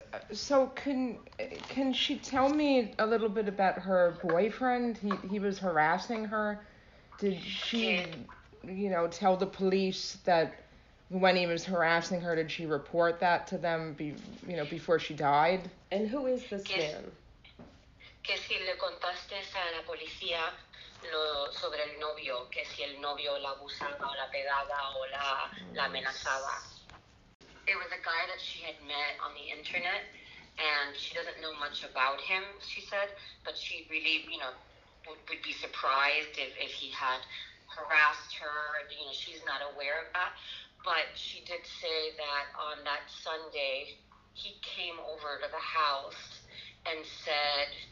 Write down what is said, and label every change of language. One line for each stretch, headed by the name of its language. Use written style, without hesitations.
English: So can she tell me a little bit about her boyfriend? He was harassing her. Did she, you know, tell the police that when he was harassing her, did she report that to them, you know, before she died? And who is this man?
Spanish: Que si le contaste a la policía sobre el novio, que si el novio la abusaba o la pegaba o la amenazaba.
English: It was a guy that she had met on the internet, and she doesn't know much about him, she said, but she really, you know, would be surprised if he had harassed her. You know, she's not aware of that. But she did say that on that Sunday, he came over to the house and said